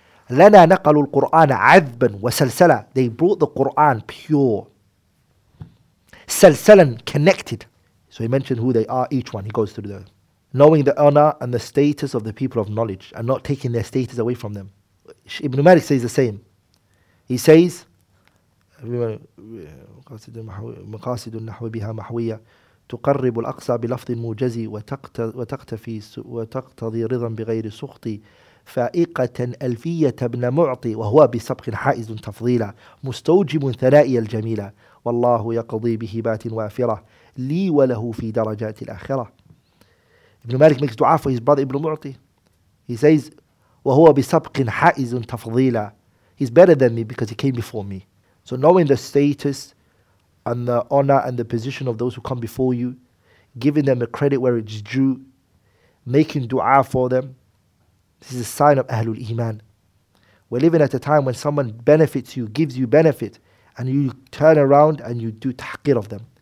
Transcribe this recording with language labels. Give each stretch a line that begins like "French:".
Arabic: لَنَا نَقَلُوا الْقُرْآنَ عَذْبًا وَسَلْسَلًا,
English: they brought the Qur'an pure. سَلْسَلًا, connected. So he mentioned who they are, each one. He goes through them. Knowing the honor and the status of the people of knowledge and not taking their status away from them. Ibn Malik says the same. He says,
Arabic: مقاصد المحو... مقاصد النحو بها محوية تقرب الأقصى بلفظ موجز وتقتفي وتقتضي رضا بغير سخط فائقة ألفية ابن معطي وهو بسبق حائز تفضيلا مستوجب ثنائي الجميلة والله يقضي به بات وافرة لي وله في درجات الآخرة.
English: Ibn Malik makes dua for his brother Ibn Mu'ti. He says,
Arabic: وهو بسبق حائز تفضيلا.
English: He's better than me because he came before me. So knowing the status and the honor and the position of those who come before you, giving them a credit where it's due, making dua for them, this is a sign of Ahlul Iman. We're living at a time when someone benefits you, gives you benefit, and you turn around and you do tahqir of them.